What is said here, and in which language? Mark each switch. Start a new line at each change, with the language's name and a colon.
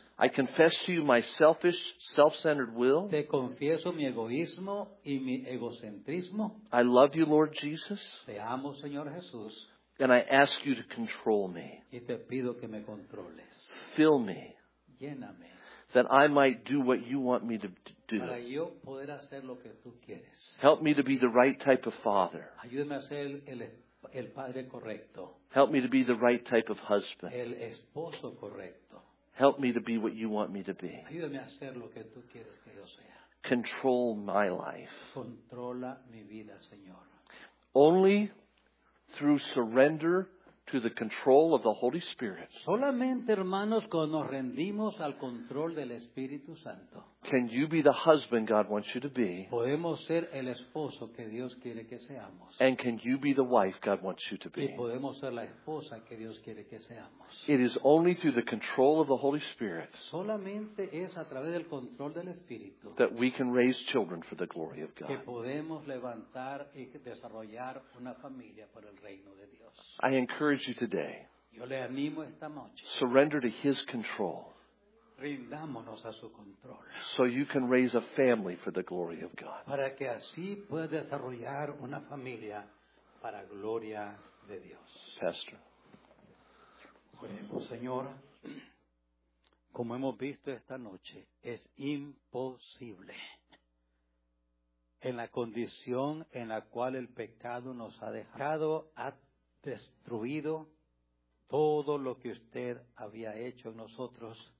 English: I confess to you my selfish, self-centered will.
Spanish: Te confieso mi egoísmo y mi egocentrismo.
English: I love you, Lord Jesus.
Spanish: Te amo, Señor Jesús.
English: And I ask you to control me.
Spanish: Y te pido que me controles.
English: Fill me.
Spanish: Lléname.
English: That I might do what you want me to do.
Spanish: Para yo poder hacer lo que tú quieres.
English: Help me to be the right type of father.
Spanish: Ayúdame a ser el padre correcto.
English: Help me to be the right type of husband.
Spanish: El esposo correcto.
English: Help me to be what you want me to be.
Spanish: Ayúdame a hacer lo que tú quieres que yo sea.
English: Control my life.
Spanish: Controla mi vida, Señor.
English: Only through surrender to the control of the Holy Spirit.
Spanish: Solamente, hermanos, cuando nos rendimos al control del Espíritu Santo.
English: Can you be the husband God wants you to be?
Spanish: Podemos ser el esposo que Dios quiere que seamos.
English: And can you be the wife God wants you to be?
Spanish: Y podemos ser la esposa que Dios quiere que seamos.
English: It is only through the control of the Holy Spirit.
Spanish: Solamente es a través del control del Espíritu.
English: That we can raise children for the glory of God.
Spanish: Que podemos levantar y desarrollar una familia por el reino de Dios.
English: I encourage you today.
Spanish: Yo le animo esta noche.
English: Surrender to His control.
Spanish: Rindámonos a su control.
English: So you can raise a family for the glory of God.
Spanish: Para que así pueda desarrollar una familia para gloria de Dios. Pastor. Bueno, Señor, como hemos visto esta noche, es imposible en la condición en la cual el pecado nos ha dejado, ha destruido todo lo que usted había hecho en nosotros.